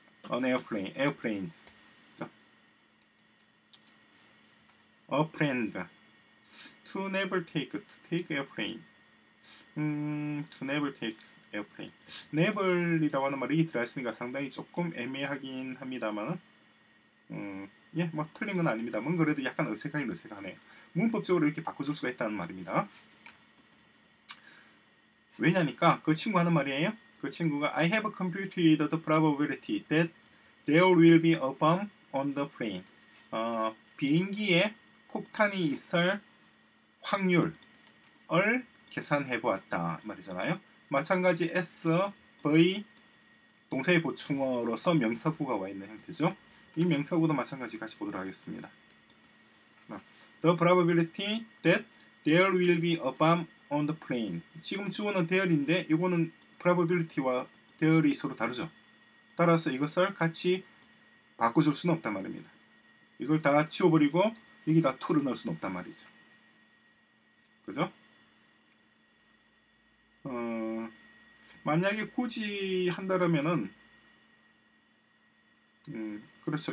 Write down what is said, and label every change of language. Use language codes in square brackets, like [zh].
[en] an airplanes [ko] 어 [en] friend to never take airplane to never take airplane never [ko] 이라고 하는 말이 들어있으니까 상당히 조금 애매하긴 합니다만 예, 뭐 틀린 건 아닙니다만 그래도 약간 어색하긴 어색하네요 문법적으로 이렇게 바꿔줄 수가 있다는 말입니다. 왜냐니까 그 친구 하는 말이에요. 그 친구가 [en] I have computed the probability that there will be a bomb on the plane. [ko] 비행기에 폭탄이 있을 확률을 계산해 보았다 말이잖아요. 마찬가지 S, V, 동사의 보충어로서 명사구가 와 있는 형태죠. 이 명사구도 마찬가지 같이 보도록 하겠습니다. [en] The probability that there will be a bomb on the plane. [ko] 지금 주어는 there인데 이거는 probability와 there이 서로 다르죠. 따라서 이것을 같이 바꿔줄 수는 없단 말입니다. 이걸 다 치워버리고 여기다 to를 넣을 수는 없단 말이죠. 그죠? 만약에 굳이 한다라면은 그렇죠.